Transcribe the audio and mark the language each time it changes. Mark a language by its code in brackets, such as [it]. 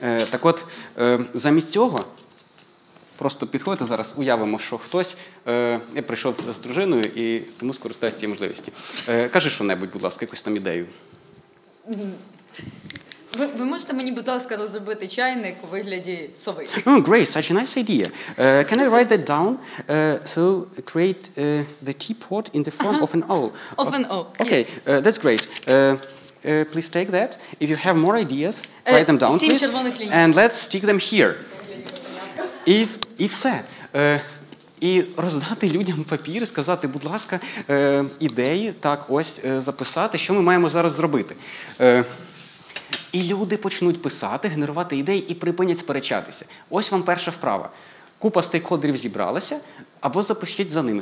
[uk] Так от, замість цього, просто підходите зараз, уявимо, що хтось, я прийшов з дружиною, і тому скористаюся цією можливістю. Кажи що-небудь, будь ласка, якусь там ідею. Ви можете мені, будь ласка, розробити чайник у вигляді сови? [en] Oh, great, such a nice idea. Can I write that down? So, create the teapot in the form of an owl. Of an owl, okay, yes. That's great. Please take that. If you have more ideas, write them down, please. [uk] Червоних ліній. [en] And let's stick them here. [uk] І все. І роздати людям папір, сказати, будь ласка, ідеї, так, ось, записати, що ми маємо зараз зробити. І люди почнуть писати, генерувати ідеї і припинять сперечатися. Ось вам перша вправа. Купа стейкхолдерів зібралася, або запишіть за ними.